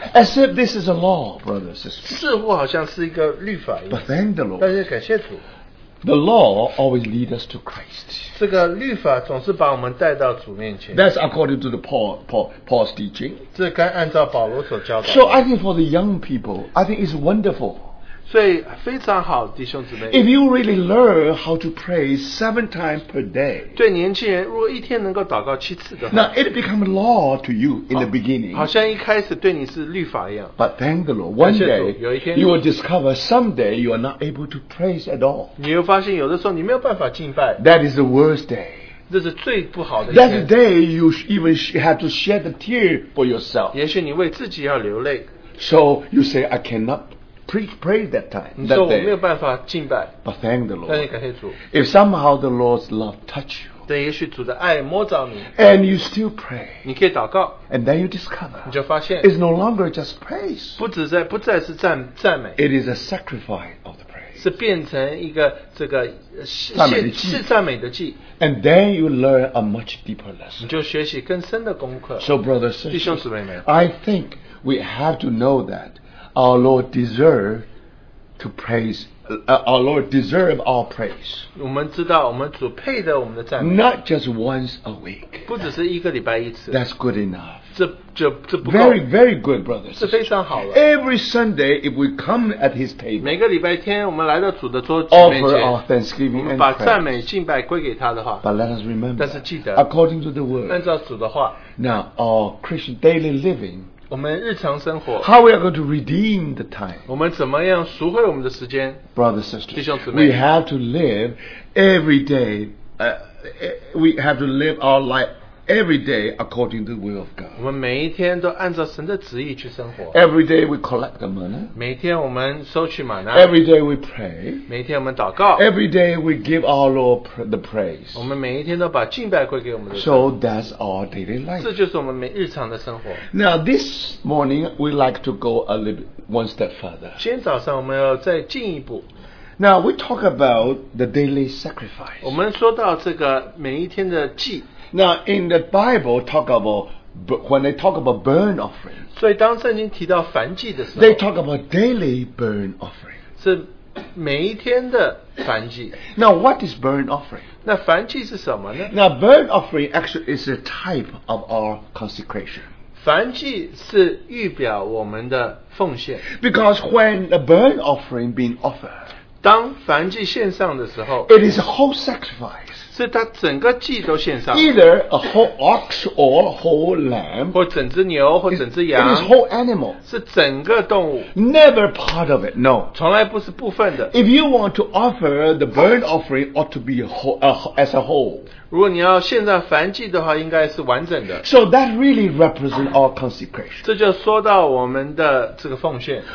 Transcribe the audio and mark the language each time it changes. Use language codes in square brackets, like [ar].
[en] As if this is a law, brother and sister. [zh] 似乎好像是一个律法一样. [en] But thank the Lord. [zh] 但是感谢主. [en] The law always leads us to Christ. [zh] 这个律法总是把我们带到主面前. [en] That's according to the Paul's teaching. [zh] 这跟按照保罗所教导的. [en] So I think for the young people, I think it's wonderful. [zh] 所以非常好, 弟兄姊妹, [en] if you really learn how to pray 7 times per day, [zh] 对年轻人如果一天能够祷告七次的话, [en] now it becomes a law to you in the beginning. [zh] 好像一开始对你是律法一样, [en] but thank the Lord, one day you will discover someday you are not able to praise at all. [zh] 你又发现有的时候你没有办法敬拜, [en] that is the worst day. [zh] 这是最不好的一天, [en] that day you even had to shed a tear for yourself. [zh] 也许你为自己要流泪, [en] so you say, I cannot pray that time. [zh] 你说我没有办法敬拜, [en] but thank the Lord. [zh] 但也感谢主, [en] if somehow the Lord's love touch you, [zh] 对也许主的爱摸着你, [en] and you still pray, [zh] 你可以祷告, [en] and then you discover, [zh] 你就发现, [en] it's no longer just praise. [zh] 不只是赞美, [en] it is a sacrifice of the praise. [zh] 是变成一个这个赞美的祭, [en] and then you learn a much deeper lesson. [zh] 你就学习更深的功课. [en] So brother, sister, [zh] 弟兄姊妹们, [en] I think we have to know that our Lord deserve to praise. Our Lord deserve our praise. [zh] 我们知道我们主配得我们的赞美. [en] Not just once a week. [zh] 不只是一个礼拜一次. [en] That's good enough. [zh] 这不够. [en] Very, very good, brothers. [zh] 这非常好了. [en] Every Sunday, if we come at His table, [zh] 每个礼拜天我们来到主的桌前面前, [en] offer our thanksgiving and praise. [zh] 把赞美敬拜归给他的话, [en] but let us remember, [zh] 但是记得, [en] according to the word, [zh] 按照主的话, [en] now our Christian daily living, [zh] 我们日常生活, [en] how we are going to redeem the time? [zh] 我们怎么样赎回我们的时间? [en] Brothers and sisters, [zh] 弟兄姊妹, [en] we have to live every day, we have to live our life every day according to the will of God. [zh] 我们每一天都按照神的旨意去生活. [en] Every day we collect the manna. [zh] 每天我们收取玛纳. [en] Every day we pray. [zh] 每天我们祷告. [en] Every day we give our Lord the praise. [zh] 我们每一天都把敬拜归给我们的神. [en] So that's our daily life. [zh] 这就是我们每日常的生活. [en] Now this morning we like to go a little bit one step further. [zh] 今天早上我们要再进一步. [en] Now we talk about the daily sacrifice. [zh] 我们说到这个每一天的祭. [en] Now in the Bible talk about when they talk about burn offering. [zh] 所以当圣经提到燔祭的时候, [en] they talk about daily burn offering. [zh] 是每一天的燔祭. [en] Now what is burn offering? [zh] 那燔祭是什么呢? [en] Now burn offering actually is a type of our consecration. [zh] 燔祭是预表我们的奉献. [en] Because when a burn offering being offered, [zh] 当燔祭献上的时候, [en] it is a whole sacrifice. [zh] 是他整个祭都献上, [en] either a whole ox or a whole lamb, [zh] 或整只牛, 或整只羊, [en] it is whole animal. [zh] 是整个动物, [en] never part of it, no. [zh] 从来不是部分的. [en] If you want to offer the burnt offering, ought to be a whole, as a whole. [zh] 如果你要献上燔祭的话, 应该是完整的. [en] So that really represents our consecration. [zh] 这就说到我们的这个奉献.